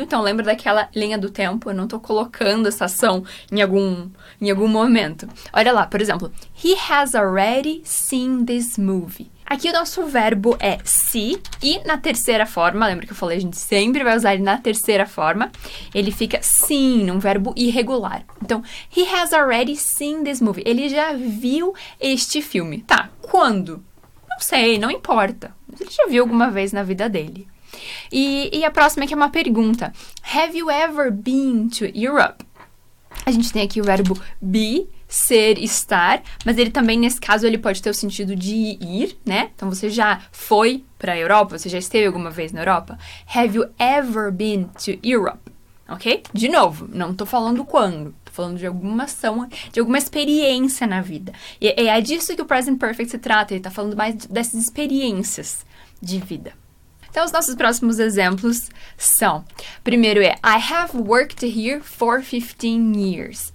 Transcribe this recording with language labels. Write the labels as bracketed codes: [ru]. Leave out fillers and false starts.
[pt] Então, lembra daquela linha do tempo, eu não tô colocando essa ação em algum momento. Olha lá, por exemplo, [en] he has already seen this movie. [pt] Aqui o nosso verbo é see, e na terceira forma, lembra que eu falei, a gente sempre vai usar ele na terceira forma, ele fica seen, um verbo irregular. [en] Então, he has already seen this movie. [pt] Ele já viu este filme. Tá, quando? Não sei, não importa. Ele já viu alguma vez na vida dele. E a próxima aqui é uma pergunta. [en] Have you ever been to Europe? [pt] A gente tem aqui o verbo be, ser, estar, mas ele também, nesse caso, ele pode ter o sentido de ir, né? Então, você já foi para a Europa? Você já esteve alguma vez na Europa? [en] Have you ever been to Europe? Ok? [pt] De novo, não estou falando quando, estou falando de alguma ação, de alguma experiência na vida. E é disso que o present perfect se trata, ele está falando mais dessas experiências de vida. Então, os nossos próximos exemplos são, primeiro é, [en] I have worked here for 15 years.